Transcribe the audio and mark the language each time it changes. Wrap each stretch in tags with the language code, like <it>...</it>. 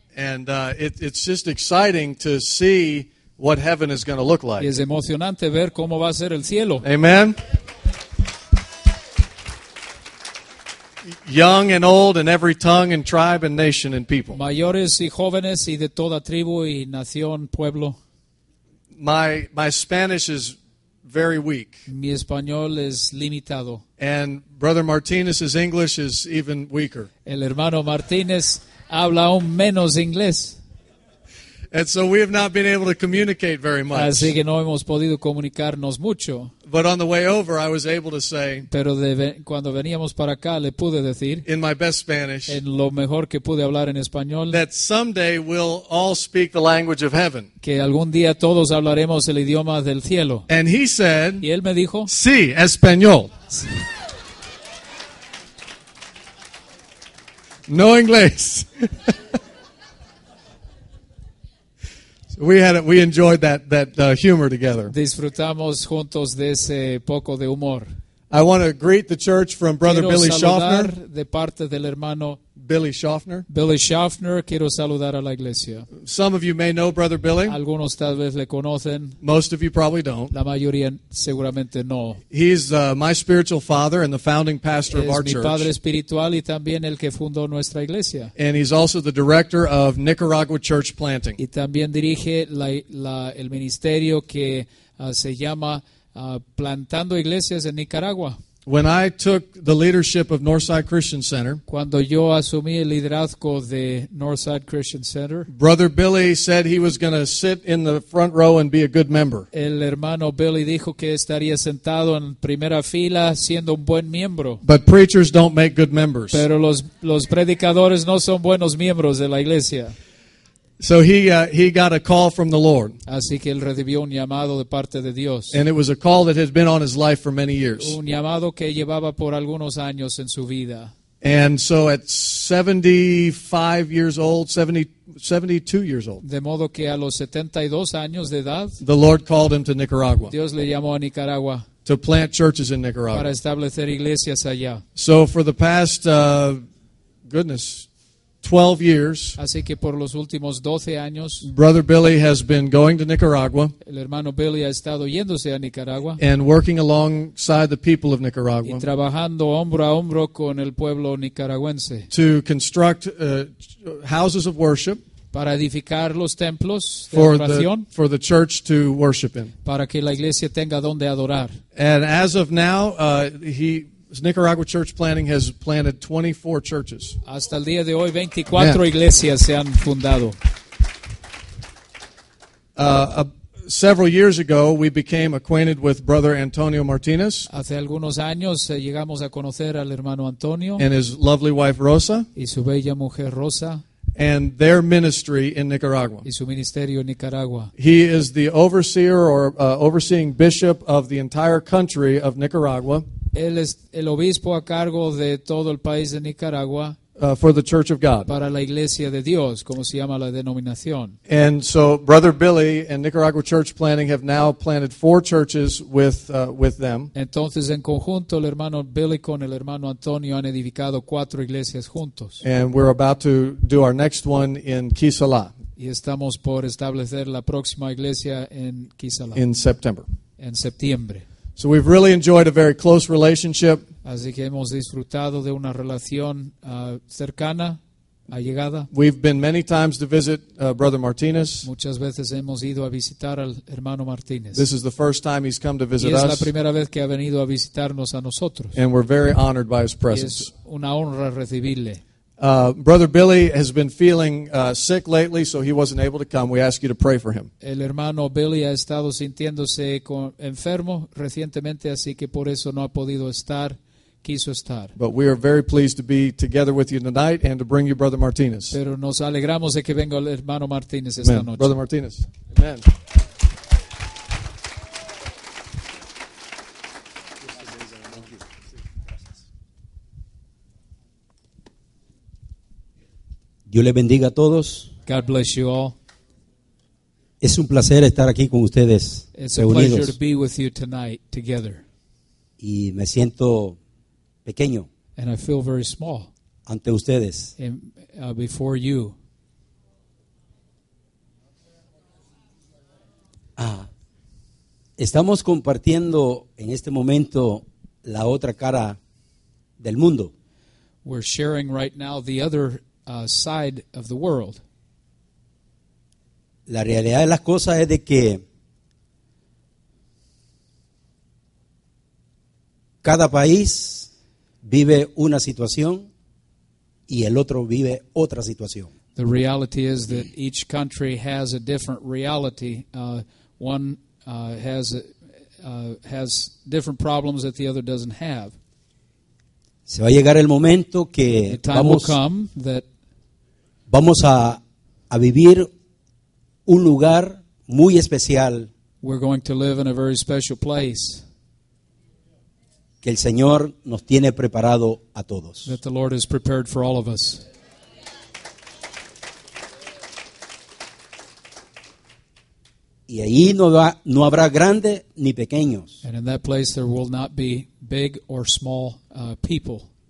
<en>And it's just exciting to see what heaven is going to look like.</en> <es>Es emocionante ver cómo va a ser el cielo.</es> <en>Amen. Young and old and every tongue and tribe and nation and people.</en> <es>Mayores y jóvenes y de toda tribu y nación, pueblo.</es> <en>My Spanish is very weak.</en> <es>Mi español es limitado.</es> <en>And Brother Martinez's English is even weaker.</en> <es>El hermano Martinez habla aún menos inglés.</es> <en>And so we have not been able to communicate very much.</en> <es>Así que no hemos podido comunicarnos mucho.</es> <en>But on the way over, I was able to say.</en> <es>Pero cuando veníamos para acá, le pude decir.</es> <en>In my best Spanish.</en> <es>En lo mejor que pude hablar en español.</es> <en>That someday we'll all speak the language of heaven.</en> <es>Que algún día todos hablaremos el idioma del cielo.</es> <en>And he said.</en> <es>Y él me dijo. Sí, español. Sí. No inglés.</es> <en>We enjoyed that humor together.</en> <es>Disfrutamos juntos de ese poco de humor.</es> <en>I want to greet the church from Brother</en> <es>quiero</es> <en>Billy Schaffner.</en> <es>De parte del hermano Billy Schaffner. Billy Schaffner, quiero saludar a la iglesia.</es> <en>Some of you may know Brother Billy.</en> <es>Algunos tal vez le conocen.</es> <en>Most of you probably don't.</en> <es>La mayoría seguramente no.</es> <en>He's my spiritual father and the founding pastor</en> <es>es</es> <en>of our</en> <es>mi</es> <en>church.</en> <es>Mi padre espiritual y también el que fundó nuestra iglesia.</es> <en>And he's also the director of Nicaragua Church Planting.</en> <es>Y también dirige el ministerio que se llama plantando iglesias en Nicaragua.</es> <en>When I took the leadership of Northside Christian Center,</en> <es>cuando yo asumí el liderazgo de Northside Christian Center,</es> <en>Brother Billy said he was going to sit in the front row and be a good member.</en> <es>El hermano Billy dijo que estaría sentado en primera fila siendo un buen miembro.</es> <en>But preachers don't make good members.</en> <es>Pero los predicadores no son buenos miembros de la iglesia.</es> <en>So he got a call from the Lord.</en> <es>Así que él recibió un llamado de parte de Dios.</es> <en>And it was a call that had been on his life for many years.</en> <es>Un llamado que llevaba por algunos años en su vida.</es> <en>And so at 75 years old, 72 years old.</en> <es>De modo que a los 72 años de edad,</es> <en>the Lord called him to Nicaragua.</en> <es>Dios le llamó a Nicaragua.</es> <en>To plant churches in Nicaragua.</en> <es>Para establecer iglesias allá.</es> <en>So for the past 12 years.</en> <es>Así que por los últimos 12 años,</es> <en>Brother Billy has been going to Nicaragua.</en> <es>El hermano Billy ha estado yéndose a Nicaragua.</es> <en>And working alongside the people of Nicaragua.</en> <es>Y trabajando hombro a hombro con el pueblo nicaragüense.</es> <en>To construct houses of worship.</en> <es>Para edificar los templos de adoración.</es> <en>For the church to worship in.</en> <es>Para que la iglesia tenga donde adorar.</es> <en>And as of now, Nicaragua Church Planting has planted 24 churches.</en> <es>Hasta el día de hoy, 24 iglesias se han fundado.</es> <en>Several years ago, we became acquainted with Brother Antonio Martinez.</en> <es>Hace algunos años llegamos a conocer al hermano Antonio.</es> <en>And his lovely wife Rosa.</en> <es>Y su bella mujer Rosa.</es> <en>And their ministry in Nicaragua.</en> <es>Y su ministerio en Nicaragua.</es> <en>He is the overseer or overseeing bishop of the entire country of Nicaragua.</en> <es>Él es el obispo a cargo de todo el país de Nicaragua</es> <en>for the Church of God.</en> <es>Para la Iglesia de Dios, como se llama la denominación.</es> <en>And so Brother Billy and Nicaragua Church Planting have now planted 4 churches with them.</en> <es>Entonces, en conjunto, el hermano Billy con el hermano Antonio han edificado 4 iglesias juntos.</es> <en>And we're about to do our next one in Quisalá.</en> <es>Y estamos por establecer la próxima iglesia en Quisalá.</es> <en>In September.</en> <es>En septiembre.</es> <en>So we've really enjoyed a very close relationship.</en> <es>Así que hemos disfrutado de una relación cercana, allegada.</es> <en>We've been many times to visit Brother Martinez.</en> <es>Muchas veces hemos ido a visitar al hermano Martinez.</es> <en>This is the first time he's come to visit us.</en> <es>Y es la primera vez que ha venido a visitarnos a nosotros.</es> <en>And we're very honored by his presence.</en> <es>Y es una honra recibirle.</es> <en>Brother Billy has been feeling sick lately, so he wasn't able to come. We ask you to pray for him.</en> <es>El hermano Billy ha estado sintiéndose enfermo recientemente, así que por eso no ha podido estar, quiso estar.</es> <en>But we are very pleased to be together with you tonight and to bring you Brother Martinez.</en> <es>Pero nos alegramos de que venga el hermano Martinez esta noche.</es> <en>Brother Martinez. Amen.</en> <es>Dios le bendiga a todos.</es> <en>God bless you all.</en> <es>Es un placer estar aquí con ustedes. reunidos.</es> <en>Pleasure to be with you tonight together.</en> <es>Y me siento pequeño.</es> <en>And I feel very small.</en> <es>Ante ustedes.</es> <en>Before you.</en> <es>Ah, estamos compartiendo en este momento la otra cara del mundo.</es> <en>We're sharing right now the other side of the world.</en> <es>La realidad de las cosas es de que cada país vive una situación y el otro vive otra situación.</es> <en>The reality is that each country has a different reality. One has different problems that the other doesn't have.</en> <es>Se va a llegar el momento que vamos a vivir un lugar muy especial.</es> <en>We're going to live in a very special place.</en> <es>Que el Señor nos tiene preparado a todos.</es> <en>That the Lord has prepared for all of us.</en> <es>Y ahí no habrá grande ni pequeños.</es> <en>And in that place there will not be big or small people.</en>